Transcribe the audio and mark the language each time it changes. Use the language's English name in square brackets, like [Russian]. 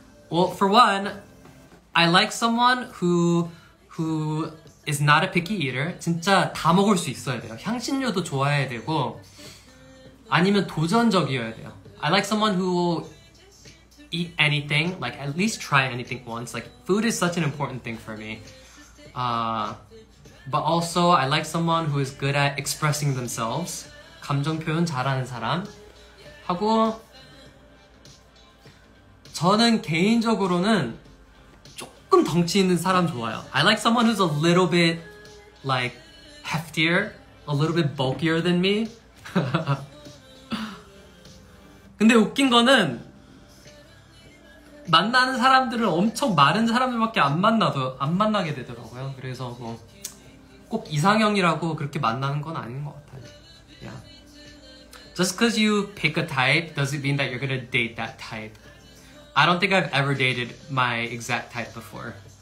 [English] Well, for one, I like someone who is not a picky eater. [Korean] 진짜 다 먹을 수 있어야 돼요. 향신료도 좋아해야 되고 아니면 도전적이어야 돼요. [English] I like someone who will eat anything, like at least try anything once. Like food is such an important thing for me. But also I like someone who is good at expressing themselves. [Korean] 감정 표현 잘하는 사람. 하고 저는 개인적으로는 조금 덩치 있는 사람 좋아요. [English] I like someone who's a little bit like heftier, a little bit bulkier than me. [Korean] 근데 웃긴 거는 만나는 사람들은 엄청 마른 사람들밖에 안 만나게 되더라고요. 그래서 뭐 꼭 이상형이라고 그렇게 만나는 건 아닌 것 같아요. [English] Yeah. Just because you pick a type doesn't mean that you're gonna date that type. I don't think I've ever dated my exact type before.